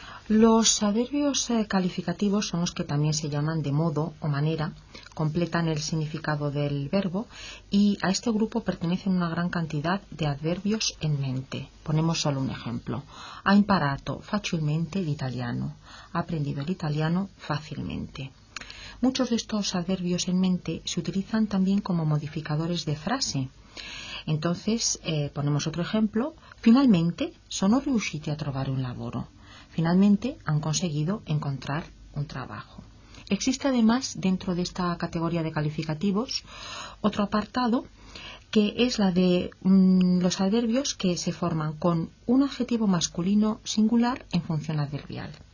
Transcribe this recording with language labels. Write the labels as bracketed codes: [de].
[es] Los adverbios calificativos son los que también se llaman de modo o manera, completan el significado del verbo, y a este grupo pertenecen una gran cantidad de adverbios en mente. Ponemos solo un ejemplo: [it] ha imparato facilmente l'italiano, [es] ha aprendido el italiano fácilmente. Muchos de estos adverbios en mente se utilizan también como modificadores de frase. Entonces, ponemos otro ejemplo: [it] finalmente sono riusciti a trovare un lavoro. [es] Finalmente han conseguido encontrar un trabajo. Existe además, dentro de esta categoría de calificativos, otro apartado, que es la de los adverbios que se forman con un adjetivo masculino singular en función adverbial.